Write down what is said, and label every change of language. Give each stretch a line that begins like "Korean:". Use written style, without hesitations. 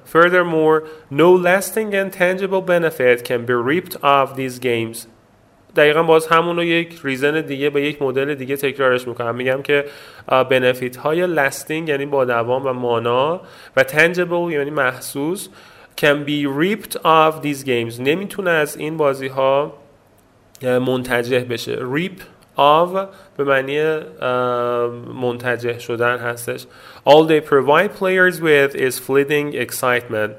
English: Furthermore, no lasting and tangible benefit can be reaped of these games.
Persian: دقیقا باز همونو یک ریزن دیگه به یک مدل دیگه تکرارش میکنم. میگم که benefit های lasting یعنی با دوام و مانا و tangible یعنی محسوس
English: can be ripped of these games.
Persian: نمیتونه از این بازی ها منتجه بشه. Rip of به معنی منتجه شدن هستش.
English: All they provide players with is fleeting excitement.